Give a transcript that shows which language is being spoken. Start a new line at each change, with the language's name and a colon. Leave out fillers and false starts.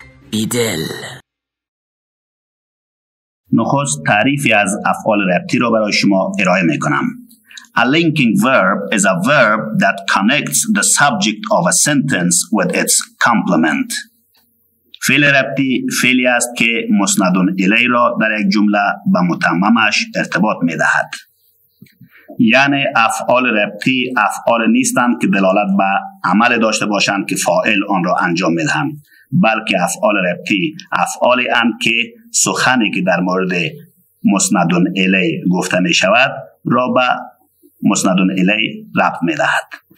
Persian: بیدل، نخست تعریفی از افعال ربطی را برای شما ارائه میکنم.
English: A linking verb is a verb that connects the subject of a sentence with its complement.
Persian: فعل ربطی فعلی است که مسند الی را در یک جمله به متممش ارتباط میدهد. یعنی افعال ربطی افعال نیستند که دلالت به عمل داشته باشند که فاعل آن را انجام میدهند، بلکه افعال ربطی افعالی اند که سخنی که در مورد مسند الی گفته می شود را به مسند الی ربط می دهد.